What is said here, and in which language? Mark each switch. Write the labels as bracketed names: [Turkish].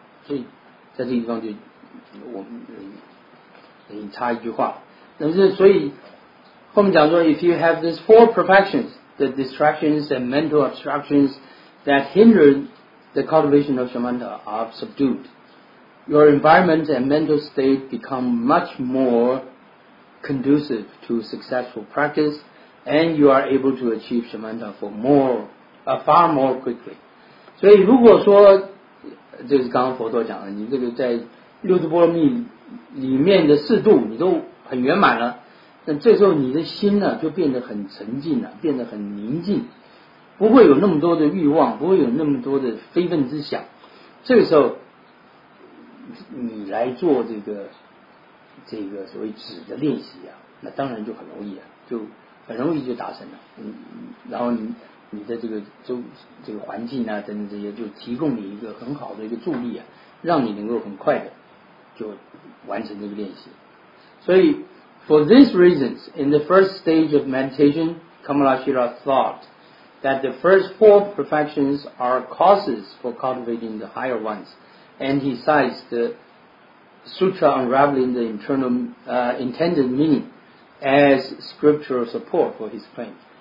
[Chinese] 所以在这个地方就我们插一句话，所以后面讲说 [English] If you have these four perfections, the distractions and mental obstructions that hinder the cultivation of shamatha are subduedYour environment and mental state become much more conducive to successful practice, and you are able to achieve shamatha for far more quickly. [Chinese] 所以如果说这是刚刚佛陀讲的，你这个在六度波罗蜜里面的四度你都很圆满了，那这时候你的心呢就变得很沉静了，变得很宁静，不会有那么多的欲望，不会有那么多的非分之想，这个时候你来做这个这个所谓止的练习啊，那当然就很容易啊，就很容易就达成了。嗯，然后你的这个周这个环境啊等等这些，就提供你一个很好的一个助力啊，让你能够很快的就完成这个练习。 [English] 所以 for these reasons, in the first stage of meditation, Kamalashila thought that the first four perfections are causes for cultivating the higher ones, and he cites the sutra unraveling the internal intended meaning as scriptural support for his claim.